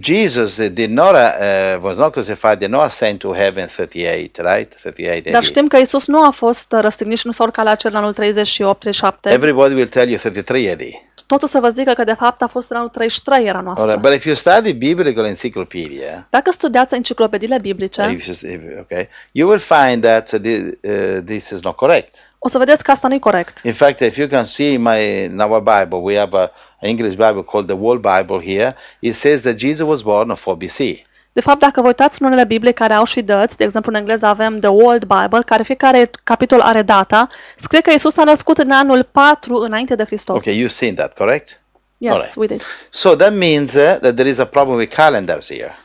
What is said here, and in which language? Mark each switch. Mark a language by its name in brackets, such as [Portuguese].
[English] Jesus did not was not crucified, did not ascend to heaven 38, right? 38 AD. [Romanian] Dar știm că Isus nu a fost răstignit și nu s-a urcat la cer la anul 38-37. [English] Everybody will tell you 33 AD. [Romanian] Tot o să vă zică că de fapt a fost în anul 33 era noastră. [English] Right. But if you study biblical encyclopedia, [Romanian] dacă studiați enciclopediile biblice, [English] okay, you will find that this is not correct. [Romanian] O să vedeți că asta nu e corect. [English] In fact, if you can see in our Bible, we have an English Bible called the World Bible here. It says that Jesus was born in 4 BC. [Romanian] De fapt, dacă vă uitați în unele Biblie care au și dăți, de exemplu în engleză avem The World Bible, care fiecare capitol are data, scrie că Iisus a născut în anul 4 înainte de Hristos. [English] Okay, you've seen that, correct? Yes, right. We did. So that means that there is a problem with calendars here.